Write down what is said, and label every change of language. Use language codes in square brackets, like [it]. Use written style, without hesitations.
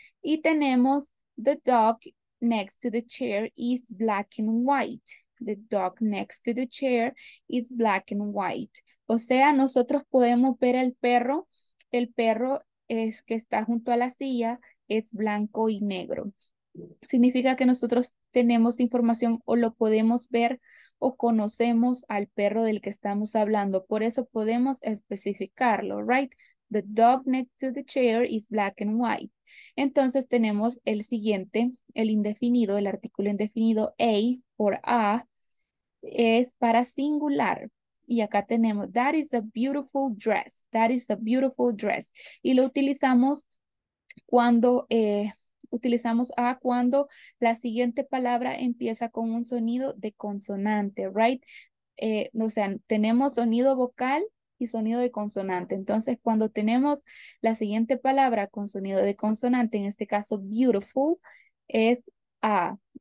[es] Y tenemos [en] the dog next to the chair is black and white. The dog next to the chair is black and white. [es] O sea, nosotros podemos ver el perro es que está junto a la silla, es blanco y negro. Significa que nosotros tenemos información o lo podemos ver o conocemos al perro del que estamos hablando. Por eso podemos especificarlo, right? [en] The dog next to the chair is black and white. [es] Entonces tenemos el siguiente, el indefinido, el artículo indefinido a por a es para singular. Y acá tenemos, [en] that is a beautiful dress. That is a beautiful dress. [es] Y lo utilizamos cuando, utilizamos a cuando la siguiente palabra empieza con un sonido de consonante, right? O sea, tenemos sonido vocal y sonido de consonante. Entonces, cuando tenemos la siguiente palabra con sonido de consonante, en este caso, beautiful, es a.